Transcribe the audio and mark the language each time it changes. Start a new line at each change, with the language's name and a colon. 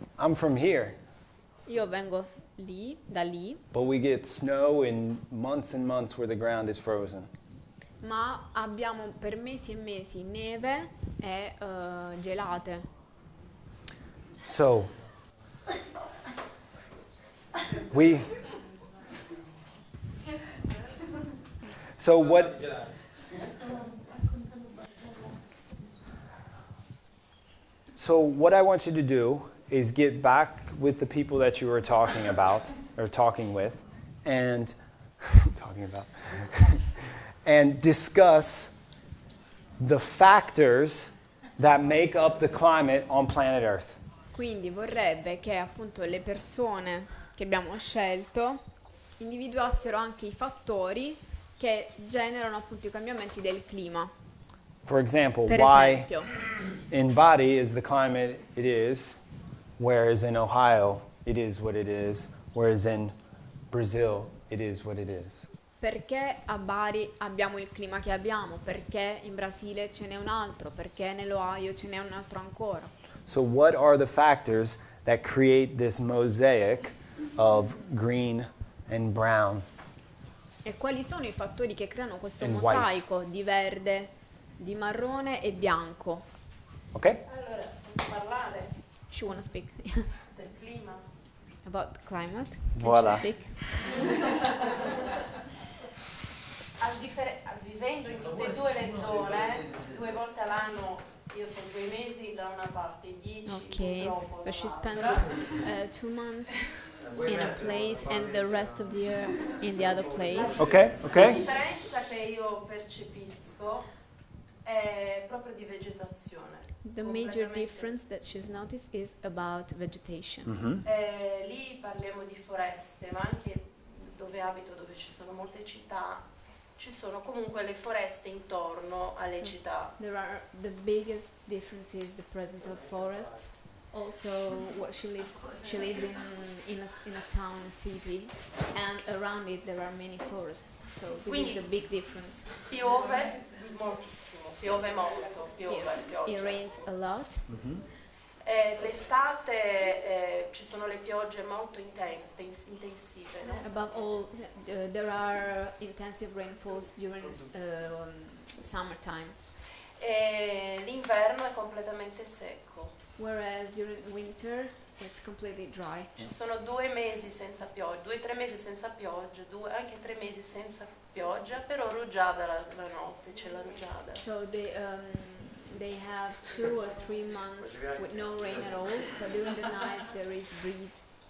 English: I'm from here.
Italian: Io vengo lì, da lì.
English: But we get snow in months and months where the ground is frozen.
Italian: Ma abbiamo per mesi e mesi neve e gelate.
English: So we so what So what I want you to do is get back with the people that you were talking about or talking with and talking about and discuss the factors that make up the climate on planet Earth.
Italian: Quindi vorrebbe che appunto le persone che abbiamo scelto individuassero anche i fattori che generano appunto i cambiamenti del clima.
English: For example, why in body is the climate it is, whereas in Ohio it is what it is, whereas in Brazil it is what it is.
Italian: Perché a Bari abbiamo il clima che abbiamo? Perché in Brasile ce n'è un altro? Perché nell'Ohio ce n'è un altro ancora?
English: So what are the factors that create this mosaic of green and brown?
Italian: E quali sono i fattori che creano questo mosaico di verde, di marrone e bianco?
English: Ok.
Italian: Allora, posso parlare?
English: She wanna speak.
Italian: Del clima.
English: About the climate.
French: Voilà.
Italian: Vivendo in tutte e due le zone, due volte all'anno, io sono 2 mesi da una parte, 10
English: okay.
Italian: purtroppo.
English: But she spent 2 months in a place and the rest of the year in the other place. Okay, okay.
Italian: La differenza che io percepisco è proprio di vegetazione.
English: The major difference that she's noticed is about vegetation. Mm-hmm.
Italian: Lì parliamo di foreste, ma anche dove abito, dove ci sono molte città, ci sono comunque le foreste intorno alle città.
English: There are the biggest difference is the presence of forests. Also, what she lives in a town, a city, and around it there are many forests. So this
Italian: Quindi,
English: is the big difference.
Italian: Piove moltissimo, piove molto, piove.
English: It rains a lot. Mm-hmm.
Italian: L'estate ci sono le piogge molto intensive. No?
English: Above all, there are intensive rainfalls during summertime.
Italian: L'inverno è completamente secco.
English: Whereas during winter it's completely dry.
Italian: Ci sono 2 mesi senza pioggia, 2 o 3 mesi senza pioggia, anche 3 mesi senza pioggia, però rugiada la notte, c'è la rugiada.
English: So they have 2 or 3 months with no rain at all, but during the night there is breeze.